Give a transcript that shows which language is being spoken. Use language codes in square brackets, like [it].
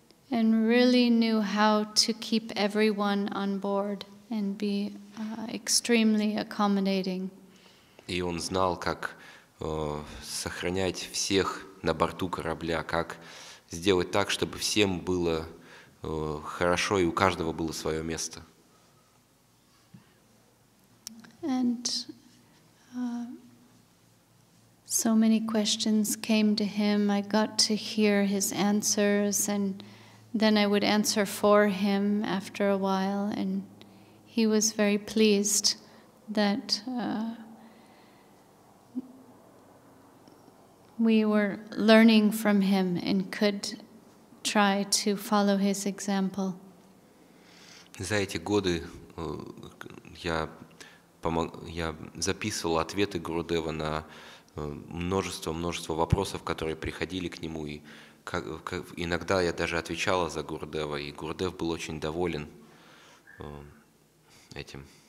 [en] And really knew how to keep everyone on board and be extremely accommodating. [ru] И он знал, как сохранять всех на борту корабля, как сделать так, чтобы всем было хорошо и у каждого было свое место. [en] And so many questions came to him. I got to hear his answers, and then I would answer for him after a while, and he was very pleased that we were learning from him and could try to follow his example. [ru] За эти годы я записывал ответы Гурудева на множество вопросов, которые приходили к нему, и иногда я даже отвечала за Гурудева, и Гурудев был очень доволен этим.